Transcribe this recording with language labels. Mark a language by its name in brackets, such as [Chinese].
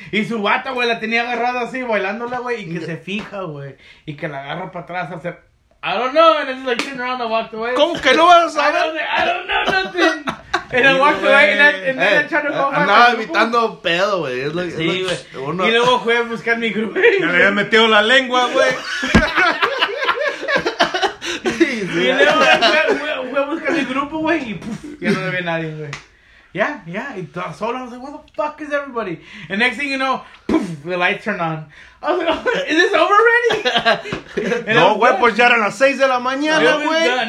[Spanish] Y su bata, güey, la tenía agarrada así, bailándola, güey. Y que se fija, güey. Y que la agarra para atrás a hacer. [English] I don't know, and it's like turn around and walked away. [Spanish] ¿Cómo que no vas a saber? [English] I don't know nothing. And I walked away, and then I'm trying to go. [Spanish] Evitando pedo, güey. Sí, güey. Y luego fue a buscar mi grupo. Me había metido la lengua, güey. Sí. Y luego fue a buscar mi grupo, güey, y puf, ya no había nadie, güey. [English] Yeah, [Spanish] y todo solo, [English] I was like, where the fuck is everybody? And next thing you know, poof, the lights turn on. I was like, is this over already? [Spanish] No, güey, pues ya eran las 6 de la mañana, güey.